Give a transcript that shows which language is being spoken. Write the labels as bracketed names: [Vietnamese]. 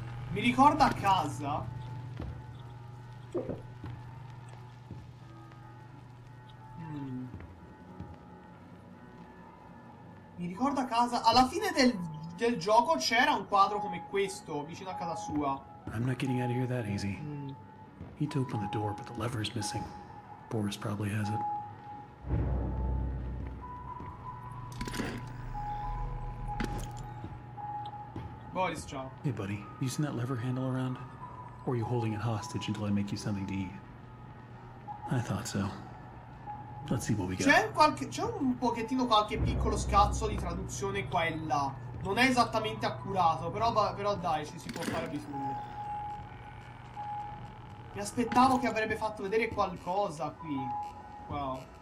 [Italian] Mi ricorda a casa? Mi ricorda a casa? Alla fine del gioco c'era un quadro come questo, vicino a casa sua. [English] I'm not getting out of here that easy. Need to open the door, but the lever is missing. Boris probably has it. [Italian] Boris, ciao. [English] Hey buddy, you seen that lever handle around? Or are you holding it hostage until I make you something to eat? I thought so. Let's see what we got. [Italian] C'è un pochettino qualche piccolo scazzo di traduzione qua e là. Non è esattamente accurato, però dai, ci si può fare bisogno. Mi aspettavo che avrebbe fatto vedere qualcosa qui. Wow.